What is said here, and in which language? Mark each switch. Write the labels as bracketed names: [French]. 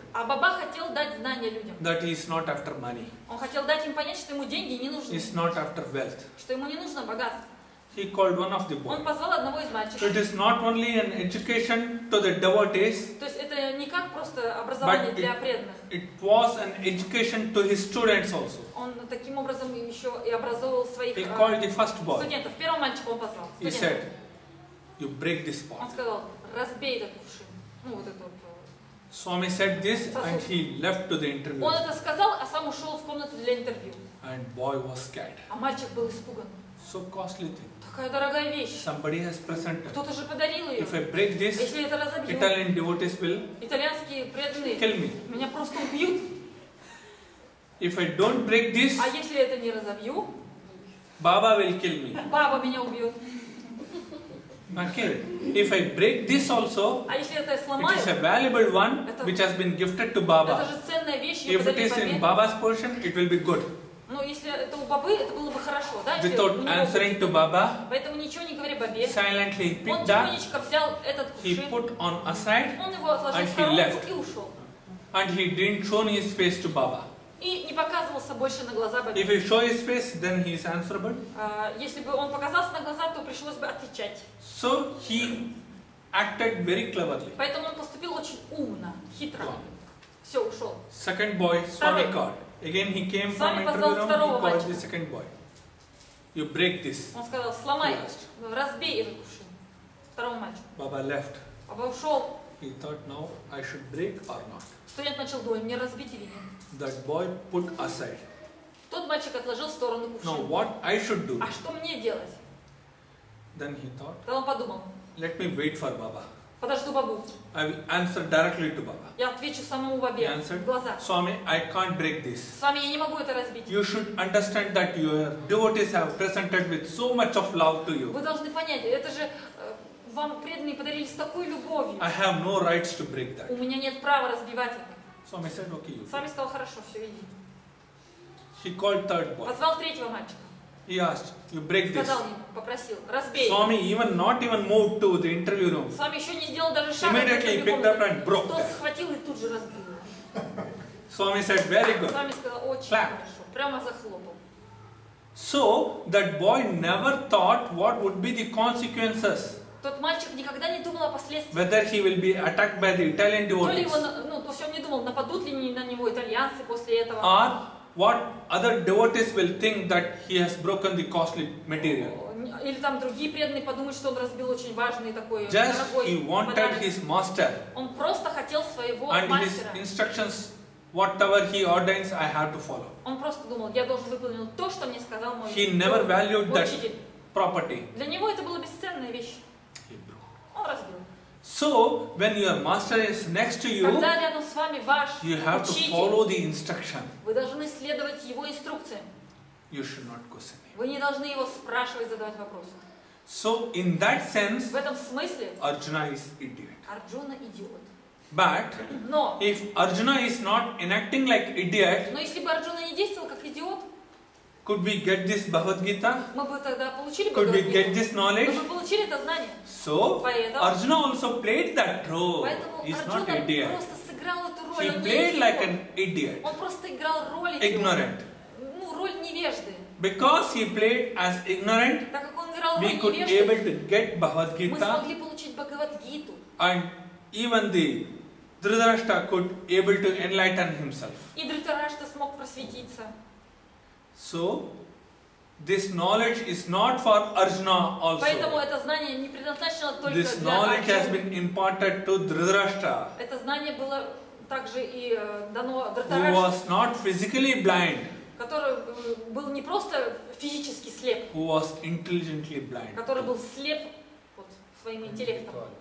[Russian] А Баба хотел дать знания людям. [English] That he is not after money. [Russian] Он хотел дать им понять, что ему деньги не нужны. [English] He is not after wealth. [Russian] Что ему не нужно богатство. [English] He called one of the boys. [Russian] Он позвал одного из мальчиков. [English] It is not only an education to the devotees. [Russian] То есть это не как просто образование [English] But [Russian] для преданных. [English] It was an education to his students also. [Russian] Он таким образом еще и образовывал своих [English] He called the first boy. [Russian] Студентов. Первого мальчика он позвал. [English] He said, you break this pot. [Russian] Он сказал, разбей этот кувшин. Ну, вот этот, [English] Swami said this сосуд. And he left to the interview. [Russian] Он это сказал, а сам ушел в комнату для интервью. [English] And boy was scared. [Russian] А мальчик был испуган. [English] So costly thing. [Russian] Какая дорогая вещь. [English] Somebody has presented. [Russian] Кто-то же подарил ее. [English] If I break this, [Russian] если я это разобью, [English] Italian devotees will [Russian] итальянские преданные [English] kill me. [Russian] Меня просто убьют. [English] If I don't break this, [Russian] а если я это не разобью, [English] Baba will kill me. [Russian] Баба меня убьет. [English] Okay. If I break this also, [Russian] а если это я сломаю, [English] it is a valuable one это, which has been gifted to Baba. [Russian] Это же ценная вещь, ее подарили Баба. [English] If it is in Baba's portion, it will be good. [Russian] Ну, если это у бабы, это было бы хорошо, да? [English] Without answering to Baba, [Russian] поэтому ничего не говори бабе. [English] Silently [Russian] он тихонечко взял этот кувшин, [English] he put on aside, [Russian] он его отложил [English] and [Russian] в сторонку и ушел. [English] And he didn't show his face to Baba. [Russian] И не показывался больше на глаза бабе. [English] If he show his face, then he is answerable. [Russian] Если бы он показался на глаза, то пришлось бы отвечать. [English] So he acted very cleverly. [Russian] Поэтому он поступил очень умно, хитро. Wow. Все, ушел. [English] Second boy, Swami called. Again he came Swami from interview room, he called [Russian] мальчика. [English] The second boy. You break this. [Russian] Он сказал, сломай, разбей этот кувшин. Второму мальчику. [English] Baba left. [Russian] Baba ушел. [English] He thought, now I should break or not. [Russian] Студент начал думать, мне разбить или нет. [English] That boy put aside. [Russian] Тот мальчик отложил в сторону кувшин. [English] Now what I should do? [Russian] А что мне делать? [English] Then he thought. [Russian] Тогда он подумал. [English] Let me wait for Baba. [Russian] Подожду бабу. [English] I will answer directly to Baba. [Russian] Я отвечу самому бабе. [English] He answered, [Russian] в глаза. [English] Swami, I can't break this. [Russian] Swami, я не могу это разбить. [English] You should understand that your devotees have presented with so much of love to you. [Russian] Вы должны понять, это же вам преданные подарили с такой любовью. [English] I have no rights to break that. [Russian] У меня нет права разбивать это. [English] Swami said, okay. [Russian] Swami сказал, хорошо, все, иди. [English] He called third boy. [Russian] Позвал третьего мальчика. [English] He asked, you break this. [Russian] Сказал ему, попросил, разбей. [English] Swami even not even moved to the interview room. [Russian] Swami еще не сделал даже шага. [English] Immediately picked up and broke that. [Russian] Тот схватил и тут же разбил. [English] Swami said, very good. [Russian] Swami сказал, очень Clap. Хорошо. Прямо захлопал. [English] So, that boy never thought what would be the consequences. [Russian] Тот мальчик никогда не думал о последствиях. [English] Whether he will be attacked by the Italian devotees. [Russian] То ли его, ну, то есть он не думал, нападут ли на него итальянцы после этого. [English] Or, what other devotees will think that he has broken the costly material. [Russian] Или там другие преданные подумают, что он разбил очень важный такой [English] Just [Russian] дорогой [English] he wanted [Russian] подарок. [English] His master. [Russian] Он просто хотел своего [English] And [Russian] мастера. [English] His instructions, whatever he ordains, I have to follow. [Russian] Он просто думал, я должен выполнить то, что мне сказал мой [English] He never valued that property. [Russian] Для него это была бесценная вещь. [English] He broke. [Russian] Он разбил. [English] So, when your master is next to you, [Russian] когда рядом с вами ваш [English] you have [Russian] учитель, [English] to follow the instruction. [Russian] Вы должны следовать его инструкциям. [English] You should not question him. [Russian] Вы не должны его спрашивать, задавать вопросы. [English] So, in that sense, [Russian] в этом смысле, [English] Arjuna is idiot. [Russian] Арджуна идиот. [English] But, [Russian] но, [English] if Arjuna is not enacting like idiot, [Russian] но если бы Арджуна не действовал как идиот, [English] Could we get this Bhagavad Gita? [Russian] Мы бы тогда получили [English] Could we get this knowledge? [Russian] Мы бы получили это знание. [English] So, [Russian] поэтому, [English] Arjuna also played that role. [Russian] Поэтому [English] He's Arjuna not an idiot. [Russian] Просто сыграл эту роль. [English] He played like an idiot. [Russian] Он просто играл роль [English] ignorant. [Russian] Идиота. Ну, роль невежды. [English] Because he played as ignorant, [Russian] так как он играл [English] we could [Russian] невежды, [English] able to get Bhagavad Gita. [Russian] Мы смогли получить Бхагавад Гиту. [English] And even the Dhritarashtra could able to enlighten himself. [Russian] И Дхритарашта смог просветиться. [English] So, this knowledge is not for Arjuna also. [Russian] Поэтому это знание не предназначено только для Арджуны. [English] This knowledge has been imparted to Dhritarashtra. [Russian] Это знание было также и дано Дхритарашта. [English] Who was not physically blind. [Russian] Который был не просто физически слеп. [English] Who was intelligently blind. [Russian] Который был слеп вот своим интеллектом.